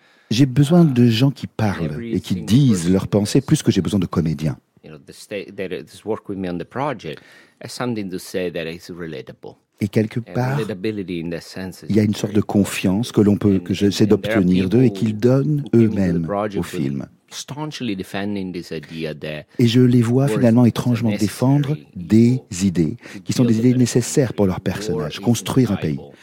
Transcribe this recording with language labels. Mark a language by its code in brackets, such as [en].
[fr] J'ai besoin de gens qui parlent et qui disent leurs pensées plus que j'ai besoin de comédiens. [en] that has worked with me on the project has something to say that it's relatable. [fr] Et quelque part, il y a une sorte de confiance que l'on peut, que j'essaie d'obtenir d'eux et qu'ils donnent eux-mêmes au film. Et je les vois finalement étrangement défendre des idées, qui sont des idées nécessaires pour leur personnage, construire un pays.